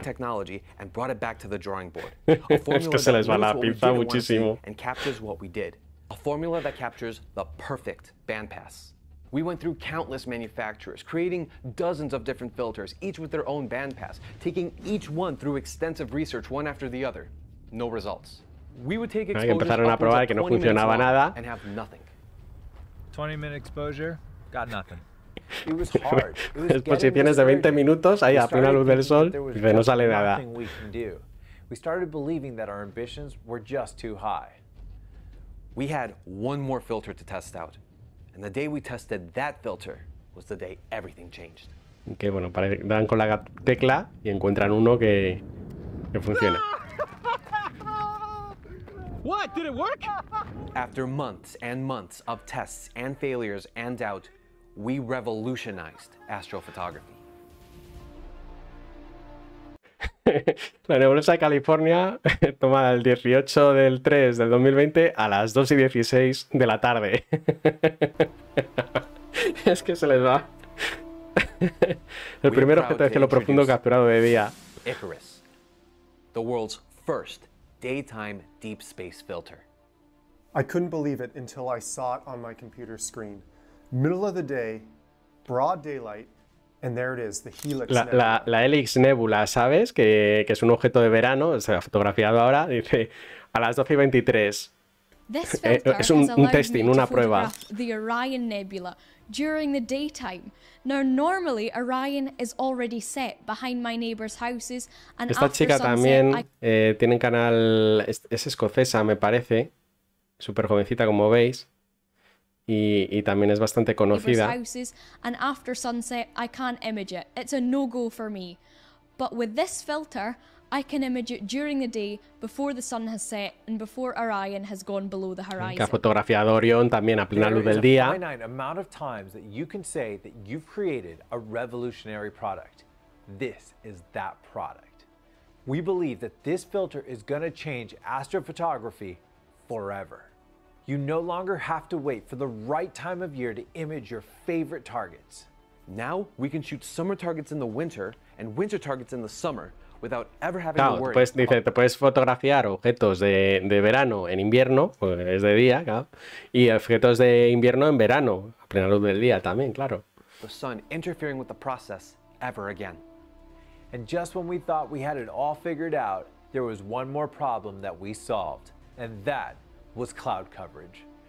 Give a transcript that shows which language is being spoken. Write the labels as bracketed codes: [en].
[en] Technology and brought it back to the drawing board. [es] Es que se les va la pinza muchísimo. [en] And captures what we did. A formula that captures the perfect bandpass. We went through countless manufacturers, creating dozens of different filters, each with their own bandpass, taking each one through extensive research one after the other. No results. We would take exposures [es] empezaron a probar que no funcionaba nada. [en] And have nothing. 20-minute exposure, got nothing. It was hard. It was [es] exposiciones de 20 minutos, ahí a plena luz del sol, y no sale nada. [en] We started believing that our ambitions were just too high. We had one more filter to test out. And the day we tested that filter was the day everything changed. [es] Que bueno, dan con la tecla y encuentran uno que funciona. [en] What? Did it work? After months and months of tests and failures and doubt, we revolutionized astrophotography. [es] La nebulosa de California, tomada el 18 del 3 del 2020 a las 2 y 16 de la tarde. Es que se les va. El primer objeto de cielo profundo capturado de día. [en] Icarus, the world's first daytime deep space filter. I couldn't believe it until I saw it on my computer screen. Middle of the day, broad daylight. And there it is, the helix nebula. [es] La Helix Nebula, ¿sabes? Que es un objeto de verano, se ha fotografiado ahora, dice, a las 12 y 23. [en] This filter [es] es un testing, una prueba. [en] The Orion Nebula during the daytime. Now, normally, Orion is already set behind my neighbor's houses. And [es] esta [en] after [es] chica [en] sunset, [es] también tiene un canal, es escocesa, me parece, súper jovencita, como veis. Y también es bastante conocida. [en] And after sunset, I can't image it. It's a no-go for me. But with this filter, I can image it during the day, before the sun has set, and before Orion has gone below the horizon. [es] Que ha fotografiado Orión también a plena luz del día. [en] There is a finite amount of times that you can say that you've created a revolutionary product. This is that product. We believe that this filter is going to change astrophotography forever. You no longer have to wait for the right time of year to image your favorite targets. Now we can shoot summer targets in the winter and winter targets in the summer without ever having to worry. [es] Pues dice, te puedes fotografiar objetos de verano en invierno, pues es de día, claro, y objetos de invierno en verano, a plena luz del día también, claro. [en] The sun interfering with the process ever again. And just when we thought we had it all figured out, there was one more problem that we solved, and that was cloud coverage.